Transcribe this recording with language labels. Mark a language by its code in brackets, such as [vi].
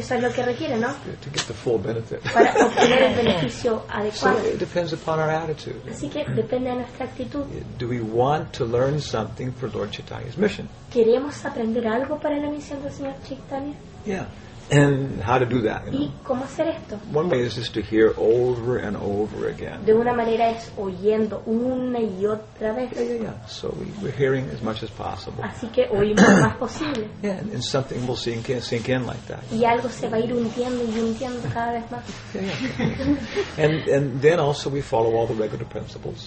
[es] eso es lo que requiere, ¿no? [en] To get the full benefit. [es] Para obtener el beneficio adecuado. [en] So it depends upon our attitude. [es] Así que depende de nuestra actitud. [en] Do we want to learn something for Lord Chaitanya's mission? [es] ¿Queremos aprender algo para la misión del Señor Chaitanya? [en] Yeah. And how to do that, you [es] know. ¿Y cómo hacer esto? [en] One way is just to hear over and over again. [es] De una manera es oyendo una y otra vez. [en] Yeah. So we're hearing as much as possible. [es] Así que oímos más posible. [en] Yeah, and something will sink in like that. [es] Y algo se va a ir hundiendo y hundiendo cada vez más. [en] Yeah. And then also we follow all the regular principles.